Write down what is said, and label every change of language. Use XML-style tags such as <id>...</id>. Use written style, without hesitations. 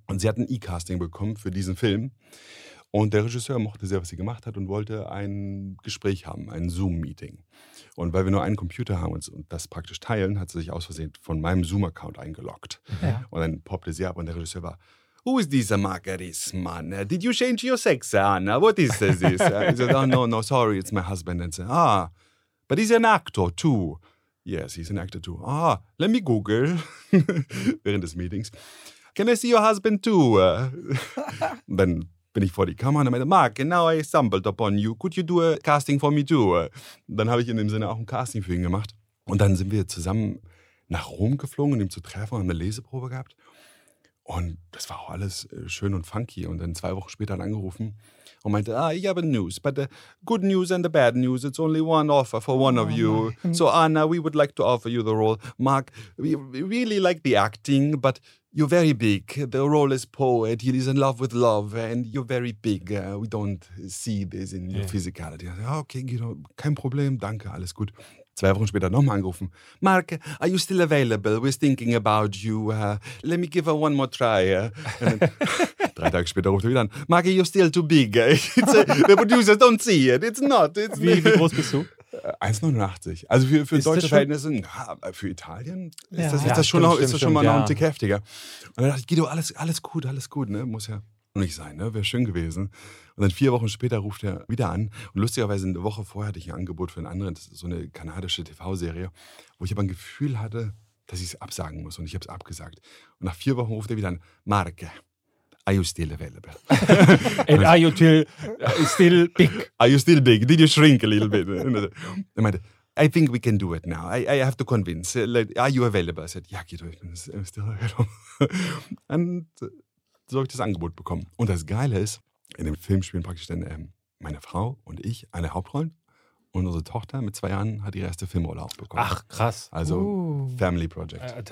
<de>Und sie hat ein E-Casting bekommen für diesen Film. Und der Regisseur mochte sehr, was sie gemacht hat und wollte ein Gespräch haben, ein Zoom-Meeting. Und weil wir nur einen Computer haben und das praktisch teilen, hat sie sich aus Versehen von meinem Zoom-Account eingeloggt. Ja. Und dann poppte sie ab und der Regisseur war,</de> <en>who is this Margaris, man? Did you change your sex, Anna? What is this? He said, oh, no, sorry, it's my husband. And said, ah, but he's an actor too. Yes, he's an actor too. Ah, let me Google.</en> <de>Während des Meetings.</de> <en>Can I see your husband too?</en> <de>Dann bin ich vor die Kamera und meinte, Mark,</de> <en>now I stumbled upon you. Could you do a casting for me too?</en> <de>Dann habe ich in dem Sinne auch ein Casting für ihn gemacht. Und dann sind wir zusammen nach Rom geflogen, um ihn zu treffen und eine Leseprobe gehabt. Und das war auch alles schön und funky. Und dann 2 Wochen später hat er angerufen und meinte, ah, ich habe News.</de> <en>But the good news and the bad news, it's only one offer for one of you. So Anna, we would like to offer you the role. Mark, we really like the acting, but you're very big. The role is poet. He is in love with love. And you're very big. We don't see this in your physicality.</en> <de>Okay, kein Problem. Danke, alles gut. 2 Wochen später nochmal angerufen.</de> <en>Mark, are you still available? We're thinking about you. Let me give her one more try.</en> <de>3 Tage später ruft er wieder an.</de> <en>Mark, are you still too big? The producers don't see it. It's not. It's</en> <de>wie groß bist du? 1,89. Also für deutsche Verhältnisse, für Italien ist das schon mal noch ein Tick heftiger. Und dann dachte ich, Guido, alles gut, ne? Muss ja nicht sein, ne? Wäre schön gewesen. Und dann 4 Wochen später ruft er wieder an. Und lustigerweise, eine Woche vorher hatte ich ein Angebot für einen anderen, das ist so eine kanadische TV-Serie, wo ich aber ein Gefühl hatte, dass ich es absagen muss. Und ich habe es abgesagt. Und nach 4 Wochen ruft er wieder an. Marke.</de> <en>Are you still available? And are you still big? Are you still big? Did you shrink a little bit?</en> <de>Er meinte,</de> <en>I think we can do it now. I have to convince. Are you available? I said, ja, Guido,</en> <de>ich bin</de> <en>still available.</en> <de>Und so habe ich das Angebot bekommen. Und das Geile ist, in dem Film spielen praktisch dann meine Frau und ich alle Hauptrollen. Und unsere Tochter mit 2 Jahren hat ihre erste Filmrolle auch bekommen. Ach, krass. Also Family Project.</de>